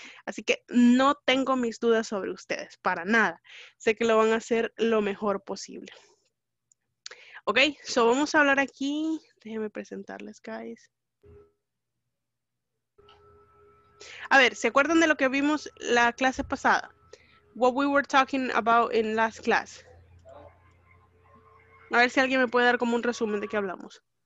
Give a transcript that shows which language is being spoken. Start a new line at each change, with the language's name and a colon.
Spanish: Así que no tengo mis dudas sobre ustedes, para nada. Sé que lo van a hacer lo mejor posible. Ok, so vamos a hablar aquí, déjenme presentarles, guys. A ver, ¿se acuerdan de lo que vimos la clase pasada?
English: What we were talking about in last class.
Spanish: A ver si alguien me puede dar como un resumen de qué hablamos.